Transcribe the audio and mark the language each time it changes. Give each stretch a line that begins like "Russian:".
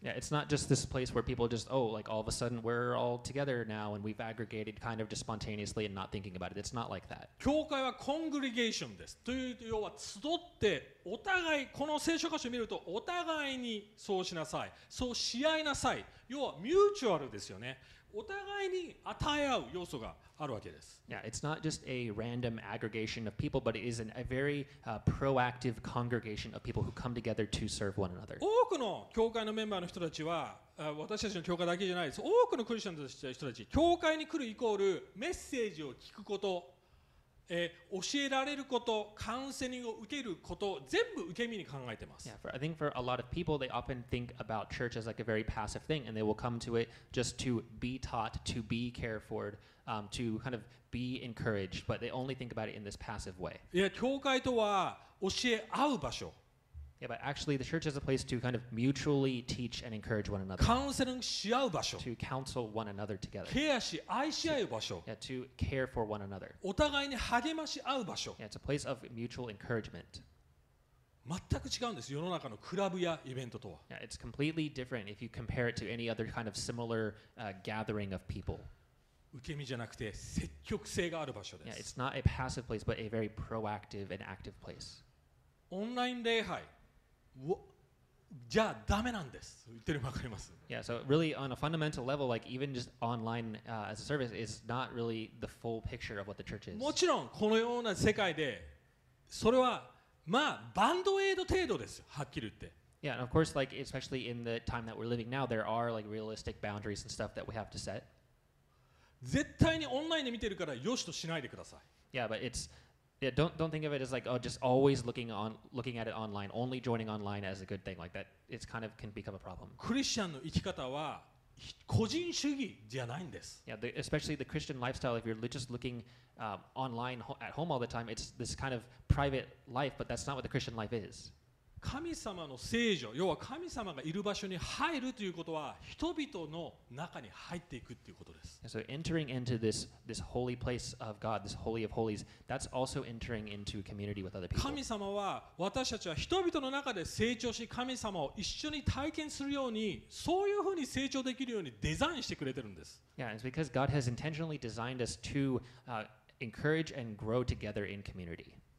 English: Yeah, it's not just this place where people just, oh, like all of a sudden we're all together now and we've aggregated kind of just spontaneously and not thinking about it. It's not like that.
Japanese: 教会はコングリゲーションです。という要は集ってお互い、この聖書箇所を見るとお互いにそうしなさい、そうし合いなさい。要はミューチュアルですよね。お互いに与え合う要素があるわけです。
English: Yeah, it's not just a random aggregation of people, but it is a very proactive congregation of people who come together to serve one another.
Japanese: 多くの教会のメンバーの人たちは、私たちの教会だけじゃないです。多くのクリスチャンの人たち、教会に来るイコールメッセージを聞くこと、教えられること、カウンセリングを受けること、全部受け身に考えてます。
English: Yeah, I think for a lot of people, they often think about church as like a very passive thing, and they will come to it just to be taught, to be cared for, to kind of be encouraged, but they only think about it in this passive way.
Japanese: Yeah, 教会とは教え合う場所。
English: Yeah, but actually, the church is a place to kind of mutually teach and encourage one another.
Japanese: カウンセリングし合う場所。
English: To counsel one another together.
Japanese: ケアし、愛し合う場所。
English: Yeah, to care for one another.
Japanese: お互いに励まし合う場所。
English: Yeah, it's a place of mutual encouragement.
Japanese: 全く違うんです、世の中のクラブやイベントとは。
English: Yeah, it's completely different if you compare it to any other kind of similar gathering of people.
Japanese: 受け身じゃなくて積極性がある場所です。
English: Yeah, it's not a passive place, but a very proactive and active place.
Japanese: オンライン礼拝。じゃあダメなんです。言ってるの分かります。
English: Yeah, so really on a fundamental level, like even just online as a service is not really the full picture of what the church is.
Japanese: もちろんこのような世界で、それはまあバンドエイド程度です。はっきり言って。
English: Yeah, and of course, like especially in the time that we're living now, there are like realistic boundaries and stuff that we have to set.
Japanese: 絶対にオンラインで見てるから良しとしないでください。
English: Yeah, but it's Yeah, don't think of it as like, oh, just always looking at it online, only joining online as a good thing. Like that, it's kind of can become a problem.
Japanese: Christian の生き方は個人主義じゃないんです。
English: Yeah, especially the Christian lifestyle, if you're just looking online at home all the time, it's this kind of private life, but that's not what the Christian life is.
Japanese: 神様の聖所、要は神様がいる場所に入るということは、人々の中に入っていくということです。
English: And、so entering into this holy place of God, this holy of holies, that's also entering into community with other people.
Japanese: 神様は私たちは人々の中で成長し、神様を一緒に体験するように、そういうふうに成長できるようにデザインしてくれてるんです。
English: Yeah, it's because God has intentionally designed us to encourage and grow together in community.